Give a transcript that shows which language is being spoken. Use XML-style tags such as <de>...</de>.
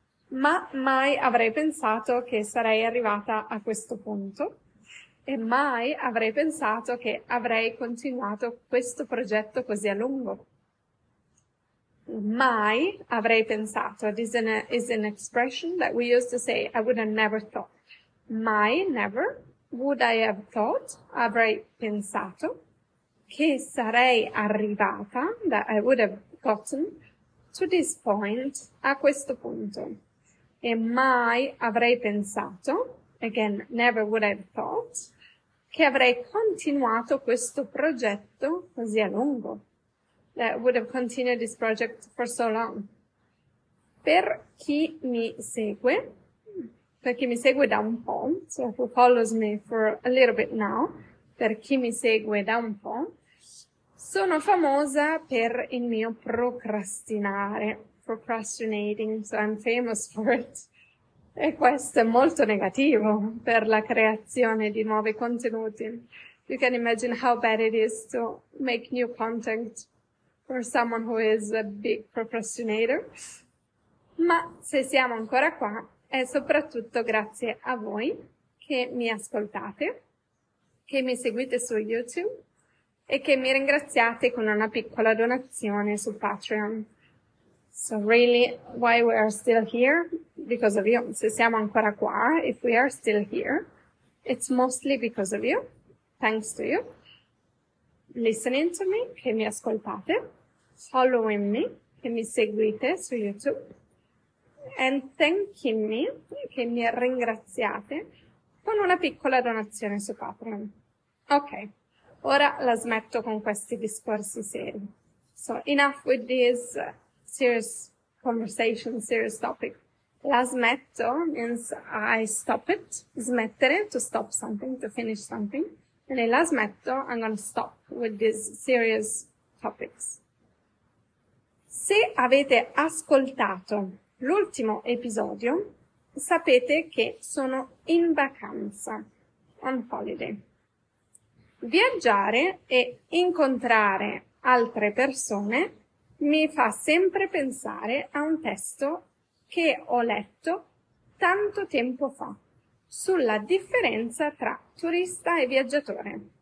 <it>Ma mai avrei pensato che sarei arrivata a questo punto, e mai avrei pensato che avrei continuato questo progetto così a lungo. Mai avrei pensato,</it> <en>this is an expression that we used to say, I would have never thought.</en> <it>Mai,</it> <en>never, would I have thought,</en> <it>avrei pensato, che sarei arrivata,</it> <en>that I would have gotten, to this point,</en> <it>a questo punto. E mai avrei pensato,</it> <en>again, never would I have thought,</en> <it>che avrei continuato questo progetto così a lungo.</it> <en>That would have continued this project for so long.</en> <it>Per chi mi segue da un po',</it> <en>so who follows me for a little bit now,</en> <it>per chi mi segue da un po', sono famosa per il mio procrastinare,</it> <en>procrastinating, so I'm famous for it.</en> <it>E questo è molto negativo per la creazione di nuovi contenuti.</it> <en>You can imagine how bad it is to make new content for someone who is a big procrastinator.</en> <it>Ma se siamo ancora qua, è soprattutto grazie a voi che mi ascoltate, che mi seguite su YouTube e che mi ringraziate con una piccola donazione su Patreon.</it> <en>So really, why we are still here? Because of you.</en> <it>Se siamo ancora qua,</it> <en>if we are still here, it's mostly because of you. Thanks to you. Listening to me,</en> <it>che mi ascoltate.</it> <en>Following me,</en> <it>che mi seguite su YouTube.</it> <en>And thanking me,</en> <it>che mi ringraziate con una piccola donazione su Patreon. Ok, ora la smetto con questi discorsi seri.</it> <en>So, enough with this serious conversation, serious topic.</en> <it>La smetto</it> <en>means I stop it. Smettere, to stop something, to finish something.</en> <it>E la smetto,</it> <en>I'm gonna stop with these serious topics.</en> <it>Se avete ascoltato l'ultimo episodio, sapete che sono in vacanza,</it> <en>on holiday.</en> <it>Viaggiare e incontrare altre persone mi fa sempre pensare a un testo che ho letto tanto tempo fa sulla differenza tra turista e viaggiatore.</it>